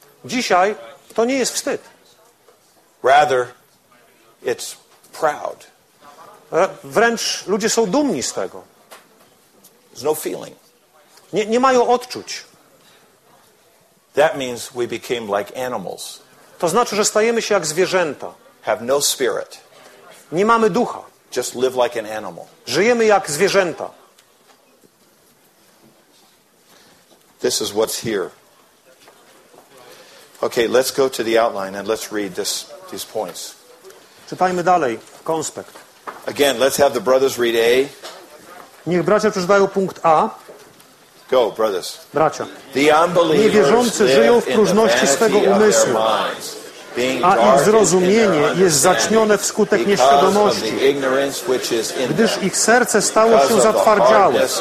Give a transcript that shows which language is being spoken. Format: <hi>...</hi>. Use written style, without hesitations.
<pl>Dzisiaj to nie jest wstyd.</pl> <en>Rather, it's proud.</en> <pl>Wręcz ludzie są dumni z tego.</pl> <en>There's no feeling.</en> <pl>Nie mają odczuć.</pl> <en>That means we became like animals.</en> <pl>To znaczy, że stajemy się jak zwierzęta.</pl> <en>Have no spirit.</en> <pl>Nie mamy ducha.</pl> <en>Just live like an animal.</en> <pl>Żyjemy jak zwierzęta.</pl> <en>This is what's here. Okay, let's go to the outline and let's read this, these points.</en> <pl>Czytajmy dalej, konspekt.</pl> <en>Again, let's have the brothers read A.</en> <pl>Niech bracia przeczytają punkt A.</pl> <en>Go, brothers.</en> <pl>Bracia. The niewierzący żyją w próżności swego umysłu, a ich zrozumienie jest zacznione wskutek nieświadomości, gdyż ich serce stało się zatwardziałe.</pl>